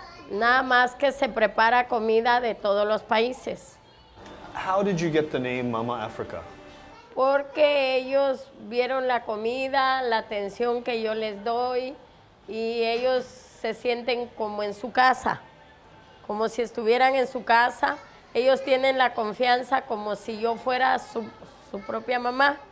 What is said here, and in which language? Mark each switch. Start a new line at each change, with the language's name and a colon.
Spanish: Nada más que se prepara comida de todos los países.
English: How did you get the name Mama Africa?
Spanish: Porque ellos vieron la comida, la atención que yo les doy, y ellos se sienten como en su casa, como si estuvieran en su casa. Ellos tienen la confianza como si yo fuera su propia mamá.